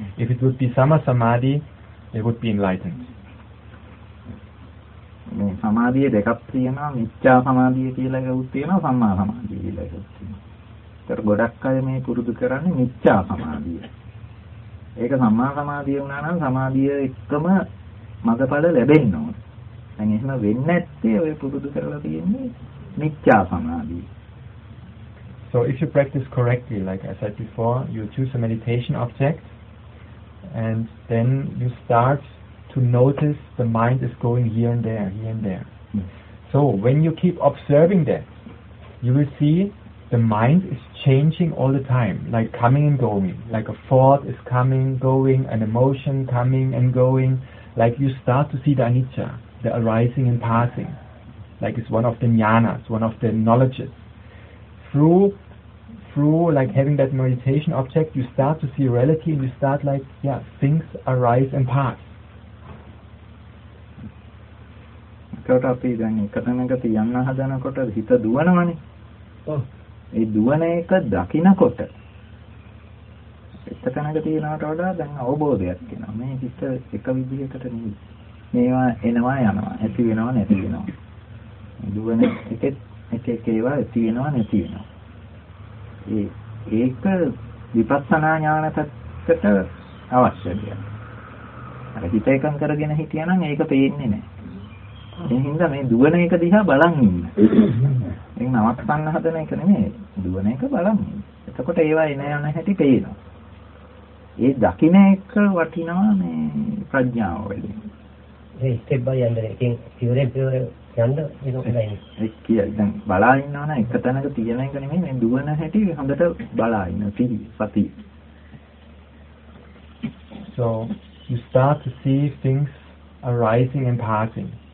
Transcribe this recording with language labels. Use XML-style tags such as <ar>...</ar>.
<en>If it would be Sama Samadhi, it would be enlightened.</en> <si>මේ සමාධිය දෙකක් තියෙනවා මිච්ඡා සමාධිය කියලා එකක් තියෙනවා සම්මා සමාධිය කියලා එකක් තියෙනවා. ඒතර ගොඩක් අය මේ පුරුදු කරන්නේ මිච්ඡා සමාධිය. ඒක සම්මා සමාධිය වුණා නම් සමාධිය එක්කම මඟපල ලැබෙන්න ඕනේ. දැන් එහෙම වෙන්නේ නැත්තේ ඔය පුරුදු කරලා තියෙන්නේ මිච්ඡා සමාධිය.</si> <en>So if you practice correctly, like I said before, you choose a meditation object and then you start to notice the mind is going here and there, here and there. So when you keep observing that, you will see the mind is changing all the time, like coming and going, like a thought is coming, going, an emotion coming and going, like you start to see the anicca, the arising and passing, like it's one of the jnanas, one of the knowledges. Through like having that meditation object, you start to see reality and you start like, yeah, things arise and pass.</en> <si>එතකොට අපි දැන් එක තැනක තියන්න හදනකොට හිත දුවනවනේ. ඔව්. ඒ දුවන එක දකිනකොට එක තැනක තියනවට වඩා දැන් අවබෝධයක් එනවා. මේ හිත එක විදිහකට නෙවෙයි. මේවා එනවා යනවා. ඇති වෙනවා නැති වෙනවා. දුවන එකෙත් එක එක ඒවා ඇති වෙනවා නැති වෙනවා. ඒක විපස්සනා ඥානපත්තට අවශ්‍යයි. අර හිත එකම් කරගෙන හිටියනම් ඒක පේන්නේ නැහැ. එහෙනම් මේ දුවන එක දිහා බලන් ඉන්න. එහෙනම් නවත් ගන්න හදන එක නෙමෙයි දුවන එක බලන් ඉන්න. එතකොට ඒවා එන යන හැටි පේනවා. ඒ දකින්න එක වටිනවා මේ ප්‍රඥාව වැඩි. ඒ</si> <en>step by</en> <si>යන්නේ එකින් පියවර යන්න ඒක නෙමෙයි. ඒ කිය දැන් බලා ඉන්නවා නම් එක තැනක තියෙන එක නෙමෙයි මේ දුවන හැටි හොඳට බලා ඉන්න තිරි සති.</si> <en>So you start to see things arising and passing.</en>